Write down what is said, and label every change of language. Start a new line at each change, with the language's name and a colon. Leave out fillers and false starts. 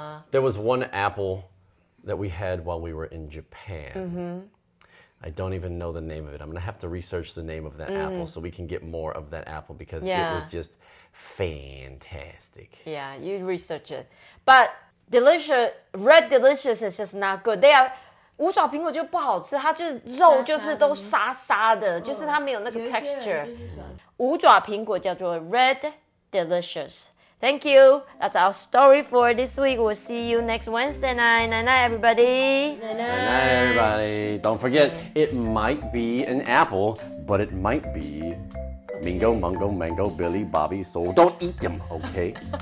English: There was one apple that we had while we were in Japan. I don't even know the name of it. I'm going to have to research the name of that apple so we can get more of that apple because it was just fantastic. Yeah, you research it. But red delicious is just not good. They are...
Chinese: 五爪苹果就不好吃，它就是肉就是都沙沙的，就是它没有那个 texture。五爪苹果叫做 Red Delicious.
English: Thank you. That's our story for this week. We'll see you next Wednesday night. Night night, everybody. Night night, night, night everybody. Don't forget, it might be an apple, but it might be Mingo, Mungo, Mango, Billy, Bobby, Soul. Don't eat them, okay?